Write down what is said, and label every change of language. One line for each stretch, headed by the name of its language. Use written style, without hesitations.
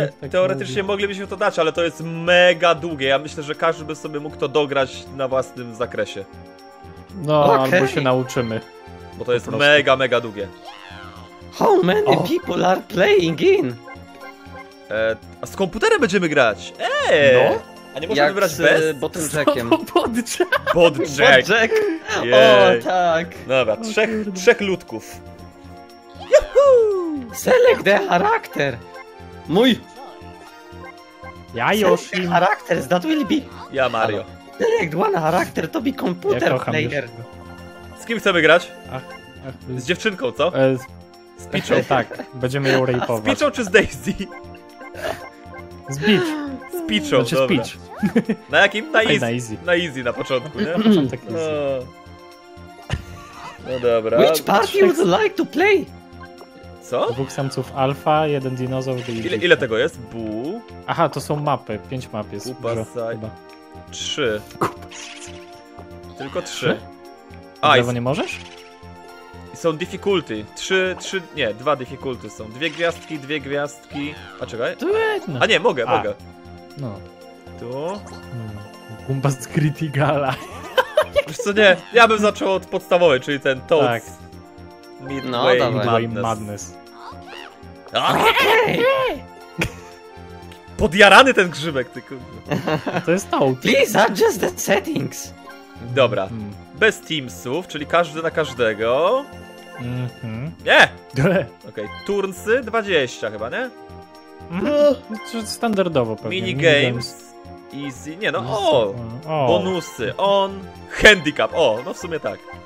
Polish: Teoretycznie moglibyśmy to dać, ale to jest mega długie. Ja myślę, że każdy by sobie mógł to dograć na własnym zakresie. No, okay. Albo się nauczymy. Bo to jest mega, mega długie.
English: How many people are playing in?
Polish: A z komputerem będziemy grać? A nie możemy wybrać bez? Bodjackiem. Bodjack. Yeah. O, tak. Dobra, trzech ludków.
English: Select the character.
Polish: Mój. Ja już.
English: Select the characters that will be.
Polish: Ja Mario.
English: Select one character to be computer player.
Polish: Z kim chcemy grać? Z dziewczynką, co? Z Peachą, tak. Będziemy ją rapować. Z Peachą czy z Daisy? Z Peach. Z Peachą, znaczy, dobra. Z Peach. Na jakim? Na easy. Na easy. Na easy na początku, nie? Na początek easy. No dobra.
English: Which party would you like to play?
Polish: Co? Dwóch samców alfa, jeden dinozaur, drugi. Ile tego jest? Bu? Aha, to są mapy. 5 map jest. Kupa dużo, saj... chyba. 3. Kupa. Tylko 3. A, i... nie możesz? Są difficulty. Dwa difficulty są. Dwie gwiazdki. A czekaj. A nie, mogę. No. Tu. Gumba z Gritty Gala. Wiesz co, nie, ja bym zaczął od podstawowej, czyli ten Toads. Tak. Midway Madness.
English: Okay.
Polish: Podjarany ten grzybek, ty to jest Toad.
English: Please adjust the settings.
Polish: Dobra. Hmm. Bez teamsów, czyli każdy na każdego. Mhm. Nie! Okej, okay. Turnsy 20 chyba, nie? No, standardowo pewnie. Minigames. Easy. Nie no, o! Bonusy. On. Handicap. O, no w sumie tak.